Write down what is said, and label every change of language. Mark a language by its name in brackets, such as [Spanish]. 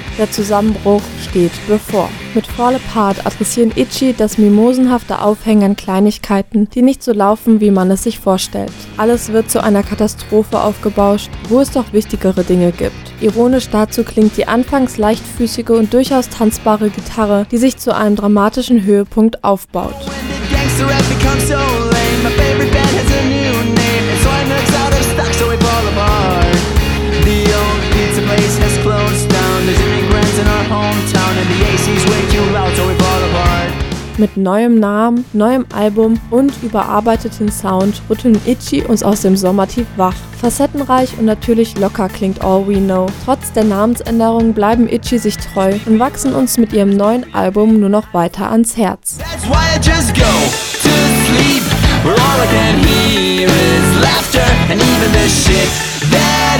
[German] Der Zusammenbruch steht bevor. Mit Fall Apart adressieren Itchy das mimosenhafte Aufhängen an Kleinigkeiten, die nicht so laufen, wie man es sich vorstellt. Alles wird zu einer Katastrophe aufgebauscht, wo es doch wichtigere Dinge gibt. Ironisch dazu klingt die anfangs leichtfüßige und durchaus tanzbare Gitarre, die sich zu einem dramatischen Höhepunkt aufbaut. [English] The rap becomes so lame. My favorite band has a new name. And so I'm nerds out of stock, so we fall apart. The old pizza place has closed down. There's immigrants in our hometown. And the AC's way too loud, so we fall apart. [German] Mit neuem Namen, neuem Album und überarbeitetem Sound rütteln Itchy uns aus dem Sommertief wach. Facettenreich und natürlich locker klingt All We Know. Trotz der Namensänderung bleiben Itchy sich treu und wachsen uns mit ihrem neuen Album nur noch weiter ans Herz. [English] That's why I just go to sleep. All I can hear is laughter and even the shit that